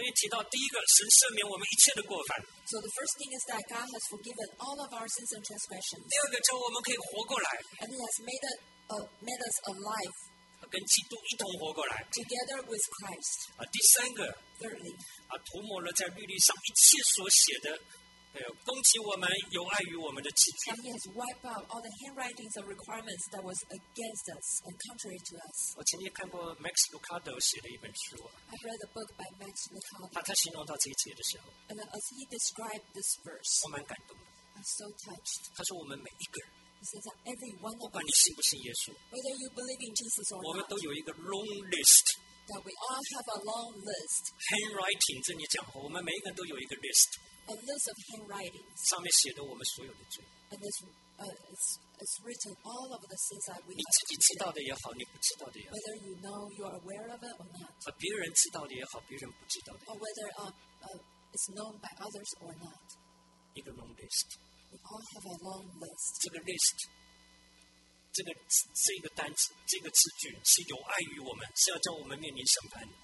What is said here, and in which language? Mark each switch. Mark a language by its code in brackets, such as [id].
[zh] 所以提到第一个，神赦免我们一切的过犯。 [en] So the first thing is that God has forgiven all of our sins and transgressions. [zh] 第二个叫我们可以活过来。 [en] And He has made us alive. [zh] 跟基督一同活过来。 [en] Together with Christ. [zh] 第三个。 [en] Thirdly. [zh] 涂抹了在律例上一切所写的，攻击我们有碍于我们的字句。 [en] And He has wiped out all the handwritings and requirements that was against us and contrary to us. [zh] 我曾经看过 Max Lucado 写的一本书。 [en] I read a book by Max Lucado. [zh] 他形容到这一节的时候。 [en] And as he described this verse. [zh] 我蛮感动的。 [en] So touched. [zh] 他说我们每一个人 [en] says that every one of us, [zh] 不管你信不信耶稣 [en] whether you believe in Jesus or not, [zh] 我们都有一个 long list [en] that we all have a long list [zh] handwriting 这里讲我们每一个人都有一个 list [en] a list of handwritings [zh] 上面写的我们所有的罪 [en] and it's written all of the sins that we [zh] 你自己知道的也好你不知道的也好 [en] whether you know you are aware of it or not [zh] 别人知道的也好别人不知道的 [en] or whether it's known by others or not [zh] 一个 long list. [en] We all have a long list. [zh] 这个 list, 这个单词，这个字句是有碍于我们，是要叫我们面临审判。